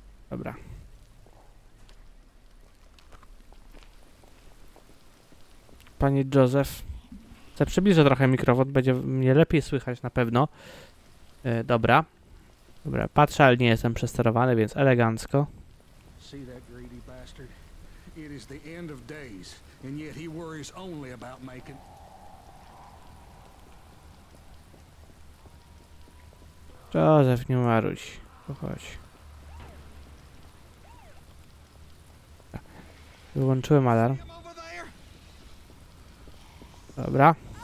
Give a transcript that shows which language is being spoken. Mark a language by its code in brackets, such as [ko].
[pl] Dobra. Panie Józef. Chcę przybliżę trochę mikrofon, będzie mnie lepiej słychać na pewno. Dobra. Dobra, patrzę, ale nie jestem przesterowany, więc elegancko. [en] See that greedy bastard? It is the end of days, and yet he worries only about making. [pl] Józef, nie maruj, pochodź. Wyłączyłem alarm. Dobra.